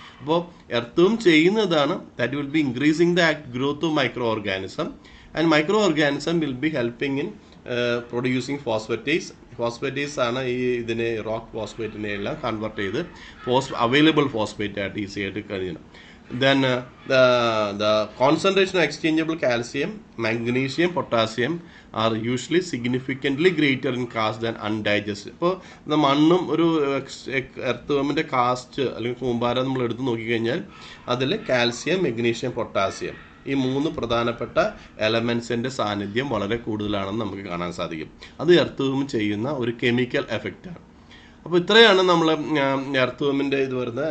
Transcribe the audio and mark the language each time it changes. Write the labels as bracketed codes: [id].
[ml] അപ്പോൾ എർത്തവും ചെയ്യുന്നതാണ് [en] That will be increasing the growth of micro organism and micro organism will be helping in producing phosphatase. [ml] Phosphatase ആണ് ഈ ഇതിനെ rock ഫോസ്ഫേറ്റിനെ എല്ലാം convert ചെയ്ത് അവൈലബിൾ ഫോസ്ഫേറ്റ് ആയിട്ട് ഈസി ആയിട്ട് കഴിയണം. [en] Then the concentration of exchangeable calcium, magnesium, potassium are usually significantly greater in cast than undigested. [ml] ഇപ്പോൾ ഇത് മണ്ണും ഒരു എർത്ത്വമിൻ്റെ കാസ്റ്റ് അല്ലെങ്കിൽ കൂമ്പാരം നമ്മൾ എടുത്ത് നോക്കിക്കഴിഞ്ഞാൽ അതിൽ കാൽസ്യം, മെഗ്നീഷ്യം, പൊട്ടാസ്യം ഈ മൂന്ന് പ്രധാനപ്പെട്ട എലമെൻസിൻ്റെ സാന്നിധ്യം വളരെ കൂടുതലാണെന്ന് നമുക്ക് കാണാൻ സാധിക്കും. അത് എർത്ത്വം ചെയ്യുന്ന ഒരു കെമിക്കൽ എഫക്റ്റാണ്. അപ്പോൾ ഇത്രയാണ് നമ്മൾ എർത്ത്വമിൻ്റെ ഇത് വരുന്നത്.